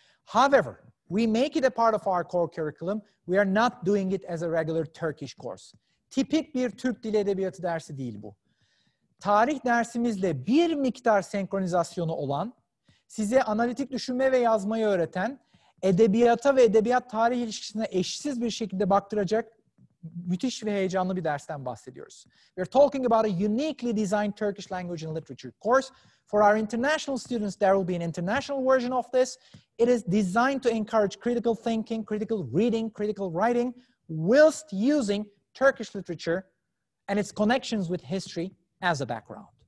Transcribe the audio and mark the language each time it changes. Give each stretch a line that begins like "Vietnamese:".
English: However, we make it a part of our core curriculum. We are not doing it as a regular Turkish course.
Turkish: Tipik bir Türk dili edebiyatı dersi değil bu. Tarih dersimizle bir miktar senkronizasyonu olan, size analitik düşünme ve yazmayı öğreten, edebiyata ve edebiyat tarih ilişkisine eşsiz bir şekilde baktıracak müthiş ve heyecanlı bir dersten bahsediyoruz.
English: We're talking about a uniquely designed Turkish language and literature course. For our international students, there will be an international version of this. It is designed to encourage critical thinking, critical reading, critical writing, whilst using Turkish literature and its connections with history as a background.